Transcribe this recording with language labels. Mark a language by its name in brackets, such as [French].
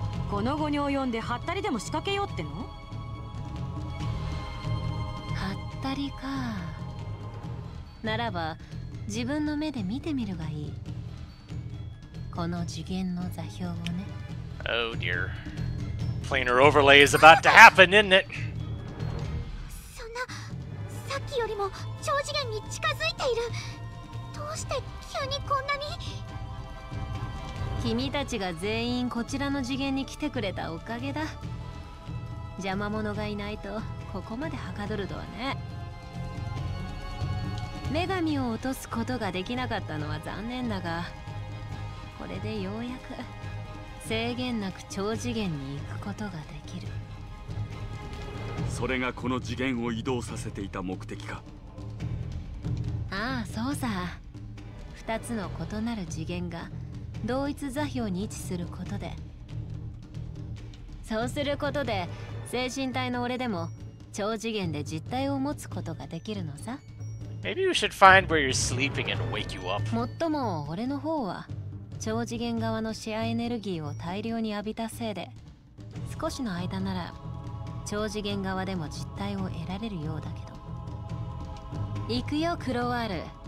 [Japanese] この語に及んでハッタリでも仕掛けようってのハッタリかならば自分の目で見てみるがいいこの次元の座標をね [English] Oh dear Planar overlay is about to happen, isn't it? [Japanese] そんなさっきよりも超次元に近づいているどうして急にこんなに君たちが全員こちらの次元に来てくれたおかげだ。邪魔者がいないとここまではかどるとはね。女神を落とすことができなかったのは残念だが、これでようやく制限なく超次元に行くことができる。それがこの次元を移動させていた目的か。ああ、そうさ。二つの異なる次元が。同一座標に位置することでそうすることで精神体の俺でも超次元で実体を持つことができるのさ [English] Maybe you should find where you're sleeping and wake you up [Japanese] もっとも俺の方は超次元側のシェアエネルギーを大量に浴びたせいで少しの間なら超次元側でも実体を得られるようだけど行くよクロワール